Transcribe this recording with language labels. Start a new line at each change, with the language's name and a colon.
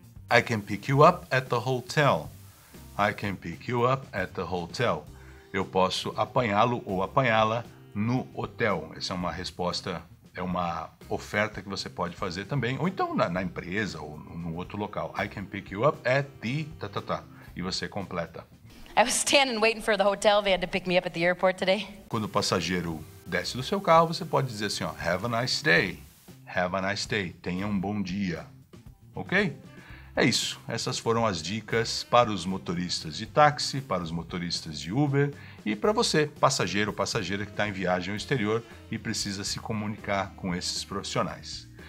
English: I can pick you up at the hotel. I can pick you up at the hotel.
Portuguese: Eu posso apanhá-lo ou apanhá-la no hotel. Essa é uma resposta, é uma oferta que você pode fazer também, ou então na empresa ou no outro local.
English: I can pick you up at the tatatá.
Portuguese: E você completa.
English: I was standing waiting for the hotel. They had to pick me up at the airport today.
Portuguese: Quando o passageiro desce do seu carro, você pode dizer assim, ó,
English: have a nice day,
Portuguese: have a nice day, tenha um bom dia, ok? É isso, essas foram as dicas para os motoristas de táxi, para os motoristas de Uber e para você, passageiro ou passageira que está em viagem ao exterior e precisa se comunicar com esses profissionais.